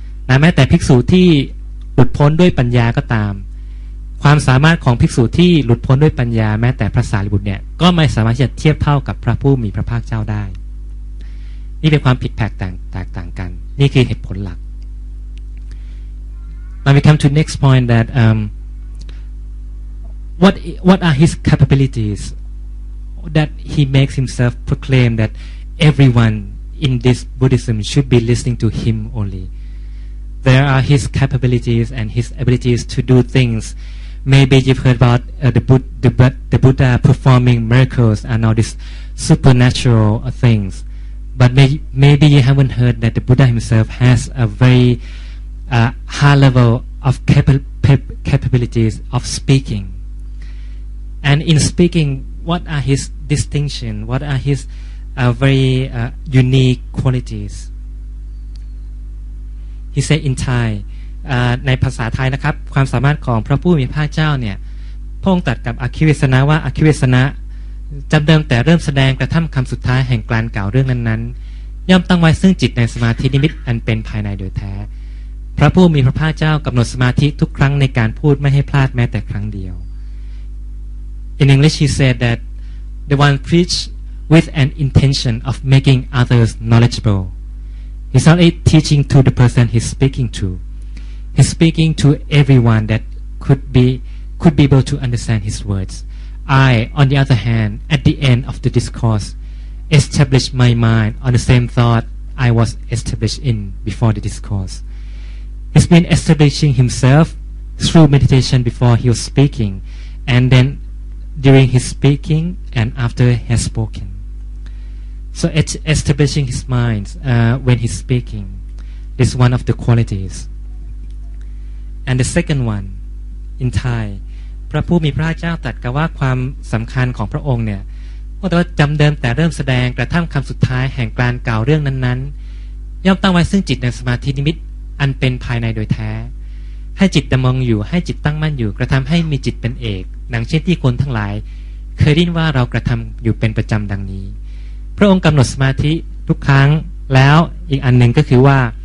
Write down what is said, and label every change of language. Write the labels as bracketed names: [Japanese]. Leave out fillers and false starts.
[Thai] แม้แต่ภิกษุที่หลุดพ้นด้วยปัญญาก็ตามความสามารถของภิกษุที่หลุดพ้นด้วยปัญญาแม้แต่พระสารีบุตรเนี่ยก็ไม่สามารถจะเทียบเท่ากับพระผู้มีพระภาคเจ้าได้นี่เป็นความผิดแปลกแตกต่างกันนี่คือเหตุผลหลัก [English] Now we come to next point that what are his capabilities that he makes himself proclaim that everyone in this Buddhism should be listening to him only? There are his capabilities and his abilities to do things. Maybe you've heard about the Buddha performing miracles and all these supernatural things, but maybe you haven't heard that the Buddha himself has a very high level of capabilities of speaking. And in speaking, what are his distinction? What are his very unique qualities? He said in Thai, [Thai] ในภาษาไทยนะครับความสามารถของพระผู้มีพระเจ้าเนี่ยพงตัดกับอคิเวสนะว่าอคิเวสนะจำเดิมแต่เริ่มแสดงกระทำคำสุดท้ายแห่งกลานกล่าวเรื่องนั้นๆย่อมตั้งไว้ซึ่งจิตในสมาธินิมิตอันเป็นภายในโดยแท้พระผู้มีพระภาคเจ้ากำหนดสมาธิทุกครั้งในการพูดไม่ให้พลาดแม้แต่ครั้งเดียว [English] In English he said that the one preach with an intention of making others knowledgeable. He's not a teaching to the person he's speaking to. He's speaking to everyone that could be able to understand his words. I, on the other hand, at the end of the discourse, establish my mind on the same thought I was established in before the discourse. He's been establishing himself through meditation before he was speaking. and then during his speaking and after he has spoken. So it's establishing his mind when he's speaking. This is one of the qualities. And the second one, in Thai, [Thai] พระผู้มีพระเจ้าตรัสกล่าวว่าความสำคัญของพระองค์เนี่ยก็แต่ว่าจำเดิมแต่เริ่มแสดงกระทั่งคำสุดท้ายแห่งการกล่าวเรื่องนั้นๆย่อมตั้งไว้ซึ่งจิตในสมาธินิมิตอันเป็นภายในโดยแท้ให้จิตดำรงอยู่ให้จิตตั้งมั่นอยู่กระทำให้มีจิตเป็นเอกดังเช่นที่คนทั้งหลายเคยได้ยินว่าเรากระทำอยู่เป็นประจำดังนี้พระองค์กำหนดสมาธิทุกครั้งแล้วอีกอันหนึ่งก็คือว่า